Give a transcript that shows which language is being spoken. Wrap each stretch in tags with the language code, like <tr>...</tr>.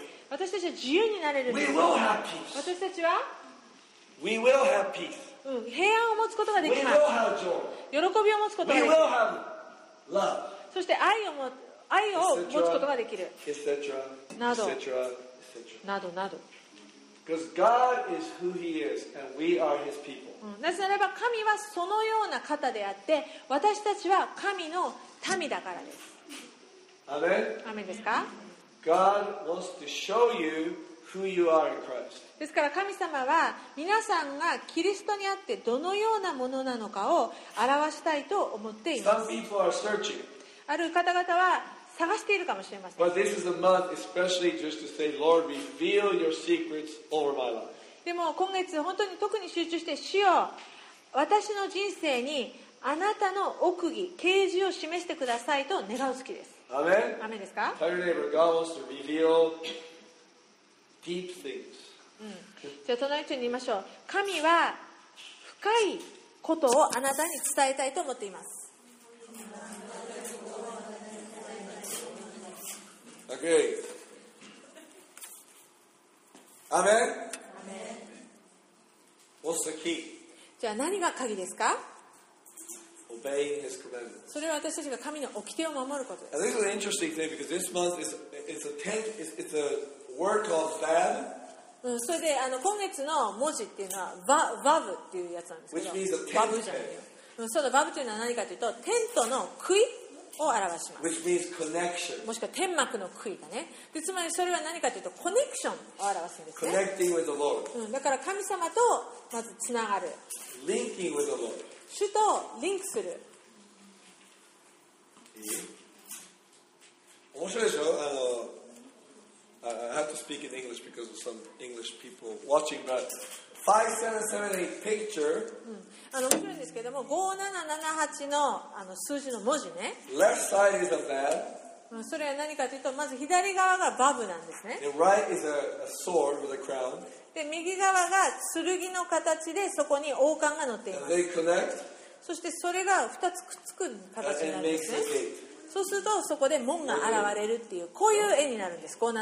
<ja>私たちは自由になれるんです。</ja> <en>We will have peace.</en> <ja>私たちは</ja> <en>We will have peace.、</en> <ja>うん、平安を持つことができます。</ja> <en>We will have joy.</en> <ja>喜びを持つことができます。</ja> <en>We will have love.</en> <ja>そして愛を持つことができる。</ja> <en>Et cetera,</en> <ja>など、</ja> <en>et cetera, et cetera.</en> <ja>などなど。</ja> <en>Because God is who He is, and we are His people.</en> <ja>なぜならば神はそのような方であって、私たちは神の民だからです。アメン。アメンですか？</ja> <en>God wants to show you who you are in Christ.</en> <ja>ですから神様は皆さんがキリストにあってどのようなものなのかを表したいと思っています。</ja> <en>Some people are searching.</en> <ja>ある方々は探しているかもしれません。</ja> <en>But this is a month especially just to say, Lord, reveal your secrets over my life.</en> <ja>でも今月本当に特に集中して、主よ、私の人生にあなたの奥義、啓示を示してくださいと願う月です。アメン。アメンですか？</ja> <en>Tell your neighbor, God wants to reveal deep things.</en> <ja>じゃあ隣の人に言いましょう。神は深いことをあなたに伝えたいと思っています。 OK. アメン。</ja> <en>What's the key?</en> <ja>じゃあ何が鍵ですか？</ja> <en>Obeying his commandments.</en> <ja>それは私たちが神の掟を守ることです。</ja> <en>And this is an interesting thing because this month is a tenth, it's a word called Vav.</en> <ja>それで今月の文字っていうのは Vav っていうやつなんですけど、</ja> <en>Which means a tenth. Vav</en> <ja>じゃないよ。そうだ、 Vav というのは何かというと、テントの杭を表します。</ja> <en>Which means connection.</en> <ja>もしくは天幕の杭だね。で、つまりそれは何かというとコネクションを表すんですね。</ja> <en>Connecting with the Lord.</en> <ja>だから神様とまずつながる。</ja> <en>Linking with the Lord.</en> <ja>主とリンクする。面白いでしょ。</ja> <en>I have to speak in English because of some English people watching, but 5778 picture.</en> <ja>面白いんですけども、5778 の、 数字の文字ね。</ja> <en>Left side is a bad.、</en> <ja>それは何かというと、まず左側がバブなんですね。</ja> <en>The right is a sword with a crown.</en> <ja>で、右側が剣の形で、そこに王冠が乗っています。</ja> <en>And they connect.</en> <ja>そしてそれが2つくっつく形なんですね。</ja> <en>And makes a gate.</en> <ja>そうするとそこで門が現れるっていう、こういう絵になるんです。</ja>